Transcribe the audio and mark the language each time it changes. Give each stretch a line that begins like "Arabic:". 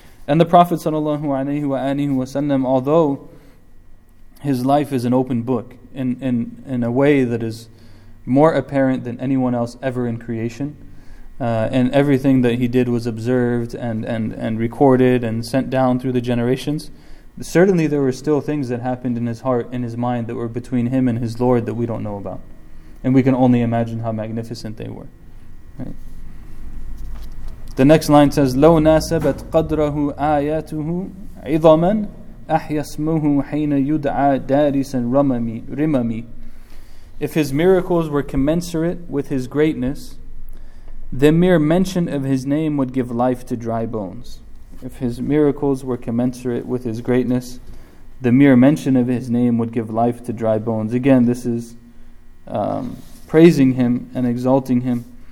English: And the Prophet ﷺ, although his life is an open book, in a way that is more apparent than anyone else ever in creation, and everything that he did was observed and recorded and sent down through the generations, certainly there were still things that happened in his heart, in his mind, that were between him and his Lord that we don't know about. And we can only imagine how magnificent they were. Right. The next line says,
Arabic: لَوْ نَاسَبَتْ قَدْرَهُ آيَاتُهُ عِظَمًا أَحْيَ اسْمُهُ حَيْنَ يُدْعَى دَارِسًا رِمَمِي.
English: If his miracles were commensurate with his greatness, the mere mention of his name would give life to dry bones. If his miracles were commensurate with his greatness, the mere mention of his name would give life to dry bones. Again, this is praising him and exalting him.